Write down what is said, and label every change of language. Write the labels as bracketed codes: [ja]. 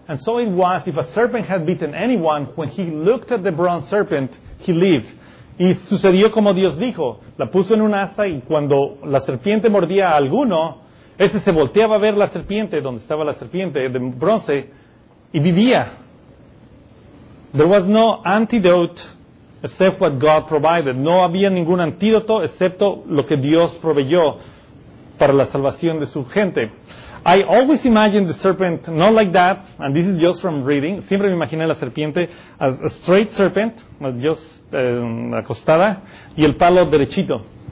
[en] And so it was, if a serpent had bitten anyone, when he looked at the bronze serpent, he lived. [es] Y sucedió como Dios dijo, la puso en un asta, y cuando la serpiente mordía a alguno, ese se volteaba a ver la serpiente, donde estaba la serpiente de bronce, y vivía. [en] There was no antidote except what God provided. [es] No había ningún antídoto excepto lo que Dios proveyó para la salvación de su gente. [en] I always imagined the serpent not like that, and this is just from reading. [es] Siempre me imaginé la serpiente as a straight serpent, just acostada, y el palo derechito.